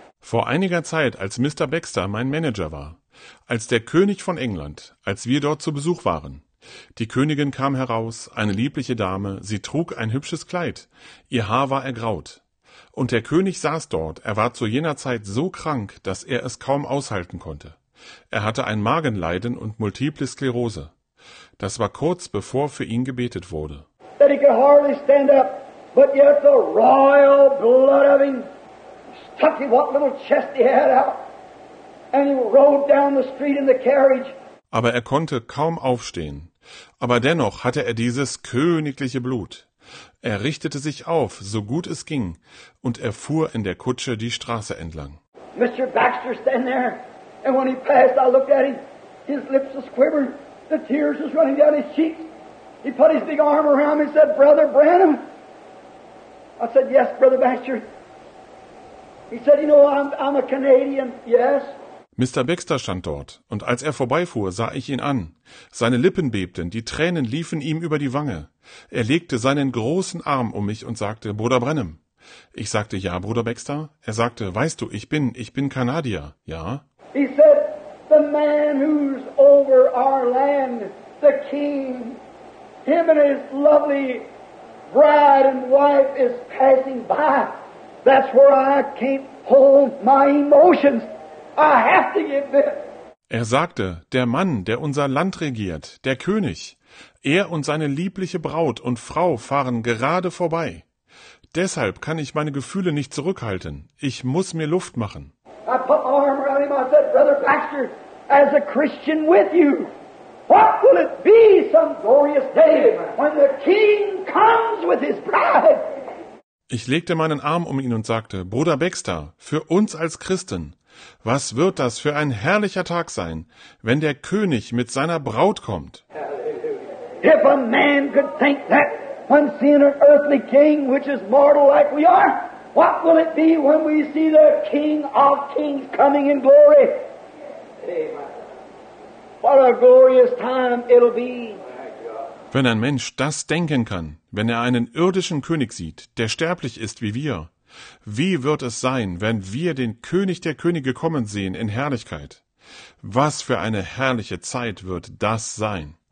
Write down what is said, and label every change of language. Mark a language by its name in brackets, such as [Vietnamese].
[German] Vor einiger Zeit, als Mr. Baxter mein Manager war, als der König von England, als wir dort zu Besuch waren, die Königin kam heraus, eine liebliche Dame, sie trug ein hübsches Kleid, ihr Haar war ergraut. Und der König saß dort, er war zu jener Zeit so krank, dass er es kaum aushalten konnte. Er hatte ein Magenleiden und multiple Sklerose. Das war kurz bevor für ihn gebetet wurde. [English] That he could hardly stand up, but yet the royal blood of him stuck in what little chest he had out, and he rode down the street in the carriage. [German] Aber er konnte kaum aufstehen. Aber dennoch hatte er dieses königliche Blut. Er richtete sich auf, so gut es ging, und er fuhr in der Kutsche die Straße entlang. [English] Mr. Baxter stand there, and when he passed, I looked at him. His lips was quivering, the tears was running down his cheeks. He put his big arm around me and said, Brother Branham. I said, yes, Brother Baxter. He said, you know, I'm a Canadian, yes. [German] Mr. Baxter stand dort, und als er vorbeifuhr, sah ich ihn an. Seine Lippen bebten, die Tränen liefen ihm über die Wange. Er legte seinen großen Arm um mich und sagte, Bruder Branham. Ich sagte, ja, Bruder Baxter. Er sagte, weißt du, ich bin Kanadier, ja? [English] He said, the man who's over our land, the king, him and his lovely bride and wife is passing by. That's where I can't hold my emotions. I have to get this. [German] Er sagte, der Mann, der unser Land regiert, der König, er und seine liebliche Braut und Frau fahren gerade vorbei. Deshalb kann ich meine Gefühle nicht zurückhalten. Ich muss mir Luft machen. [English] I put my arm around him. I said, Brother Baxter, as a Christian with you, what will it be some glorious day when the King comes with his bride. [German] Ich legte meinen Arm um ihn und sagte, Bruder Baxter, für uns als Christen, was wird das für ein herrlicher Tag sein, wenn der König mit seiner Braut kommt? [English] If a man could think that when seeing an earthly king, which is mortal like we are, what will it be when we see the King of Kings coming in glory? What a glorious time it'll be. [German] Wenn ein Mensch das denken kann, wenn er einen irdischen König sieht, der sterblich ist wie wir, wie wird es sein, wenn wir den König der Könige kommen sehen in Herrlichkeit? Was für eine herrliche Zeit wird das sein?